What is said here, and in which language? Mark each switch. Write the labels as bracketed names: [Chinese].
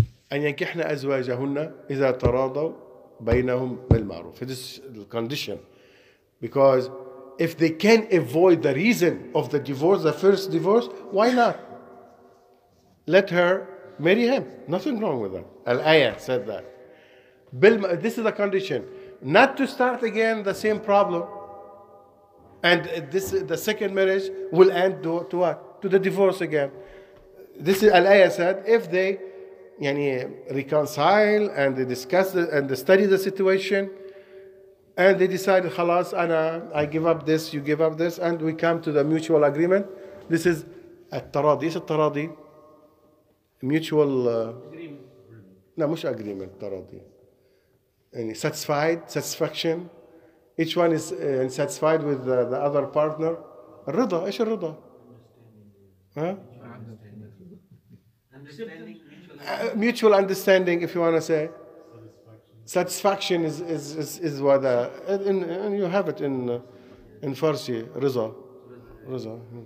[Arabic] أن ينكحن أزواجهن إذا تراضوا بينهم بالمعروف. [English] This is the condition. Because if they can avoid the reason of the divorce, the first divorce, why not? Let her marry him. Nothing wrong with that. Al-Ayah said that. This is the condition. Not to start again the same problem. And this the second marriage will end to what? To the divorce again. This is Al-Ayah said, if they [Arabic] يعني [English] reconcile and they discuss the, and they study the situation and they decide [Arabic] خلاص أنا [English] I give up this, you give up this, and we come to the mutual agreement. This is [Arabic] التراضي. إيش التراضي؟ [English] mutual agreement. [Arabic] لا مش [English] agreement. [Arabic] التراضي يعني [English] satisfied, satisfaction. Each one is satisfied with the other partner. [Arabic] الرضا. إيش الرضا؟ [English] understanding. Mutual understanding, if you want to say, satisfaction is what the in you have it in Farsi, rizal.